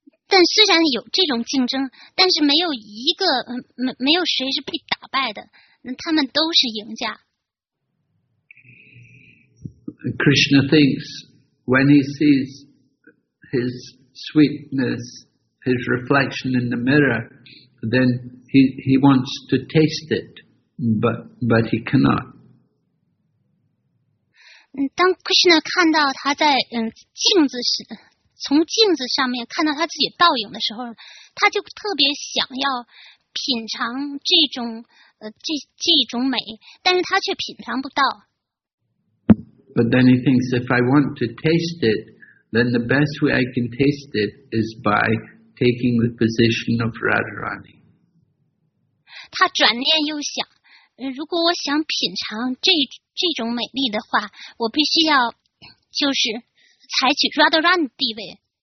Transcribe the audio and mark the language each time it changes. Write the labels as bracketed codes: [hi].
[zh] 但虽然有这种竞争，但是没有一个没有谁是被打败的，他们都是赢家。 [en] Krishna thinks when he sees his sweetness, his reflection in the mirror, then he wants to taste it, but he cannot. [zh] 当 Krishna 看到他在镜子时，从镜子上面看到他自己倒影的时候，他就特别想要品尝这种美，但是他却品尝不到。 [en] But then he thinks, if I want to taste it, then the best way I can taste it is by taking the position of Radharani. [zh] 他转念又想。如果我想品尝这种美丽的话，我必须要就是采取 Radharani 的地位。